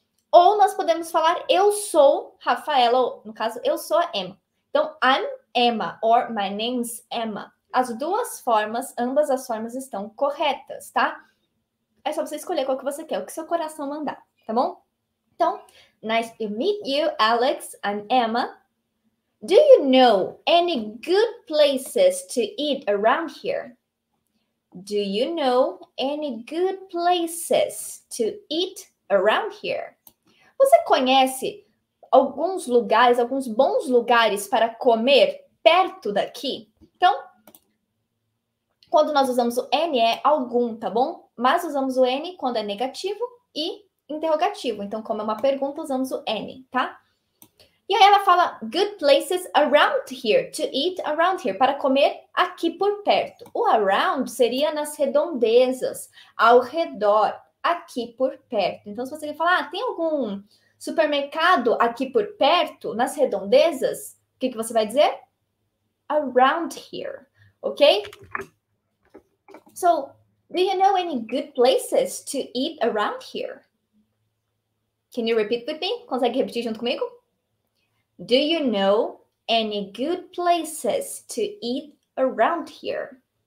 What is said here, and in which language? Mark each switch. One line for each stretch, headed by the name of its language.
Portuguese: Ou nós podemos falar eu sou Rafaela, ou no caso, eu sou a Emma. Então,
English: I'm Emma or my name's Emma.
Portuguese: As duas formas, ambas as formas estão corretas, tá? É só você escolher qual que você quer, o que seu coração mandar, tá bom? Então,
English: nice to meet you, Alex. I'm Emma. Do you know any good places to eat around here? Do you know any good places to eat around here?
Portuguese: Você conhece alguns lugares, alguns bons lugares para comer perto daqui? Então, quando nós usamos o N é algum, tá bom? Mas usamos o N quando é negativo e interrogativo. Então, como é uma pergunta, usamos o N, tá? E aí ela fala
English: good places around here, to eat around here,
Portuguese: para comer aqui por perto. O around seria nas redondezas, ao redor, aqui por perto. Então, se você quer falar, ah, tem algum supermercado aqui por perto, nas redondezas, o que que você vai dizer?
English: Around here, ok? So, do you know any good places to eat around here? Can you repeat with me?
Portuguese: Consegue repetir junto comigo?
English: Do you know any good places to eat around here?